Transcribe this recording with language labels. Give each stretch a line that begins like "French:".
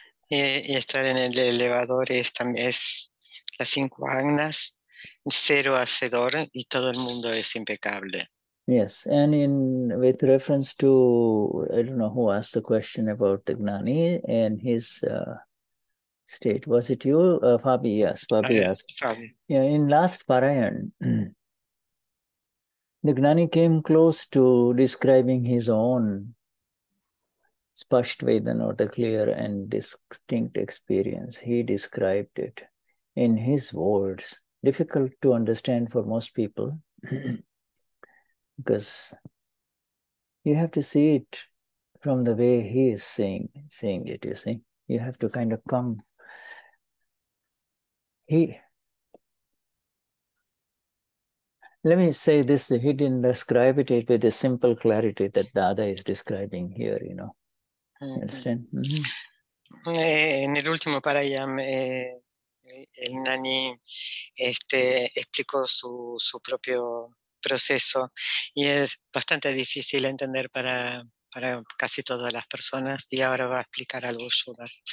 Spanish: Y estar en el elevador es también las cinco agnas, cero hacedor y todo el mundo es impecable.
English: Yes, and with reference to, I don't know who asked the question about the Gnani and his state. Was it you, Fabi? Yes, Fabi asked. Fabi. Yeah, in last Parayan, the Gnani came close to describing his own Spashtvedana, or the clear and distinct experience. He described it in his words. Difficult to understand for most people because you have to see it from the way he is seeing it, you see. You have to kind of come. Let me say this, he didn't describe it with the simple clarity that Dada is describing here, you know.
Spanish: En el último parayam, el Nani explicó su propio proceso y es bastante difícil entender para casi todas las personas y ahora va a explicar algo sobre.